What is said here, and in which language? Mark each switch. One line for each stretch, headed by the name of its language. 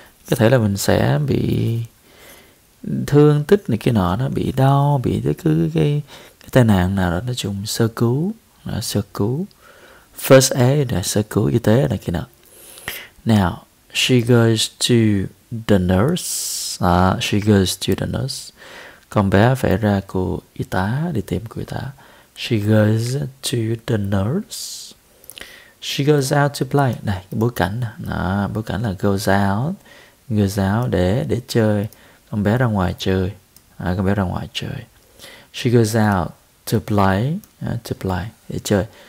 Vietnamese: Có thể là mình sẽ bị thương tích này kia nọ, nó bị đau, bị tới cứ cái tai nạn nào đó, nói chung sơ cứu, sơ cứu first aid, là sơ cứu y tế này kia nọ.
English: Now she goes to the nurse, she goes to the nurse.
Vietnamese: Con bé phải ra cô y tá, đi tìm cô y tá.
English: She goes to the nurse. She goes out to play.
Vietnamese: Này, cái bối cảnh này. Đó, bối cảnh là
English: goes out
Vietnamese: để chơi. Con bé ra ngoài chơi. À, con bé ra ngoài chơi.
English: She goes out to play
Vietnamese: để chơi.